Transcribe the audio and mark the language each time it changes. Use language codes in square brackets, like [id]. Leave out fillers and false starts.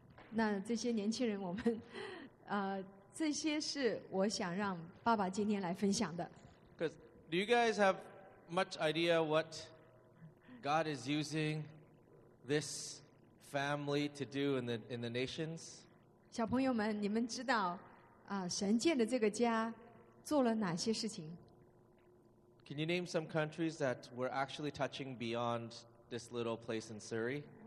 [zh] 那这些年轻人，我们，这些是我想让爸爸今天来分享的。Because [en] do you guys have much idea what God is using this family to do in the nations? [zh] 小朋友们，你们知道，神建的这个家做了哪些事情？ [en] Can you name some countries that we're actually touching beyond this little place in Surrey?